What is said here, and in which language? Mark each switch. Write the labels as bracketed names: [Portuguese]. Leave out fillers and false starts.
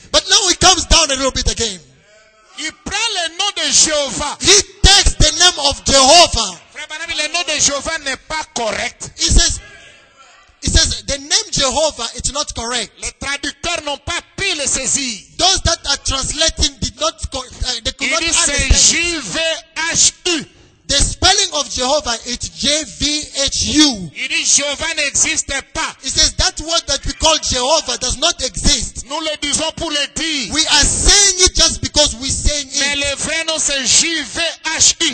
[English] But now he comes down a little bit again. [French] Il prend le nom de Jéhovah. [English] He takes the name of Jehovah. [French] Frère Branham, le nom de Jehovah n'est pas correct. [English] He says, the name Jehovah is not correct. [French] Les traducteurs n'ont pas pu le saisir. [English] Those that are translating did not, they could [French] il [English] not [French] dit, [English] understand. [French] Il dit c'est J-V-H-U. [English] The spelling of Jehovah is J-V-H-U. [French] Il dit Jehovah n'existe pas. [English] He says that word that we call Jehovah does not exist. [French] Nous le disons pour le dire. [English] We are saying it just because we saying [French] mais [English] it. [French] Mais le vrai nom c'est J-V-H-U.